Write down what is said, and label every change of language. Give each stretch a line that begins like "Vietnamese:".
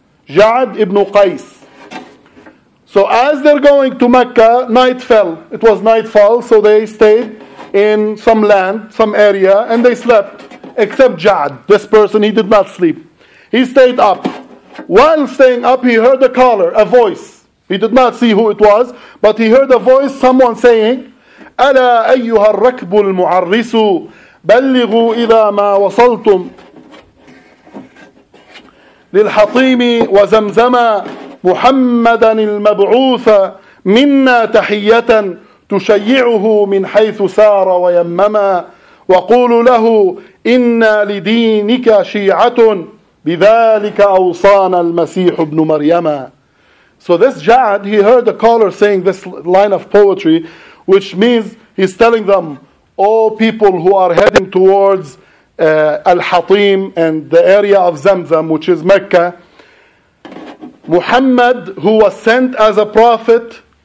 English: Ja'ad ibn Qais. So as they're going to Mecca, night fell. It was nightfall, so they stayed in some land, some area, and they slept. Except Ja'ad, this person, he did not sleep. He stayed up. While staying up, he heard a caller, a voice. He did not see who it was, but he heard a voice, someone saying,
Arabic: أَلَا أَيُّهَا الرَّكْبُ الْمُعَرِّسُ بَلِّغُوا إِذَا مَا وَصَلْتُمْ لِلْحَطِيمِ وَزَمْزَمَا مُحَمَّدًا الْمَبْعُوثَ مِنَّا تَحِيَّةً تُشَيِّعُهُ مِنْ حَيْثُ سَارَ وَيَمَّمَا وَقُولُ لَهُ إِنَّا لِدِينِكَ شِيعَةٌ بِذَلِكَ أَوْصَانَ الْمَسِيحُ بْنُ مَرْيَمَا.
English: So this Ja'ad, he heard a caller saying this line of poetry, which means he's telling them, all people who are heading towards Al-Hatim and the area of Zamzam, which is Mecca, Muhammad, who was sent as a prophet,